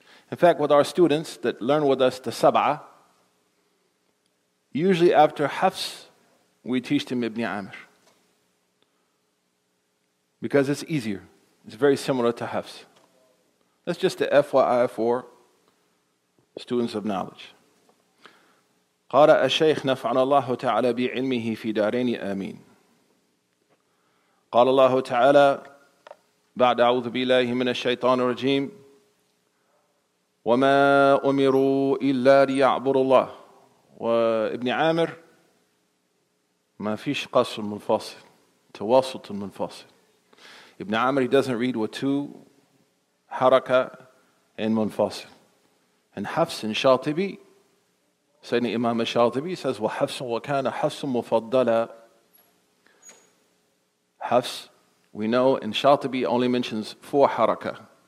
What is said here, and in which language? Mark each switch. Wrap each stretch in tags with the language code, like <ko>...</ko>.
<en>In fact, with our students that learn with us the Sab'a, usually after Hafs, we teach them Ibn Amir. Because it's easier. It's very similar to Hafs. That's just the FYI for students of knowledge.</en> <ar>قرأ الشيخ نفعنا الله تعالى بعلمه في دارين آمين. قال الله تعالى بعد أعوذ بالله من الشيطان الرجيم وما أمروا إلا ليعبدوا الله. وابن عامر ما فيش قصر منفصل تواصل منفصل.</ar> <en>Ibn Amr, he doesn't read with two haraka and munfasil. And Hafs and Shatibi, Sayyidina Imam Shatibi says, wa Hafsun wa kana Hafsun mufaddala. Hafs, we know, and Shatibi only mentions four haraka.</en>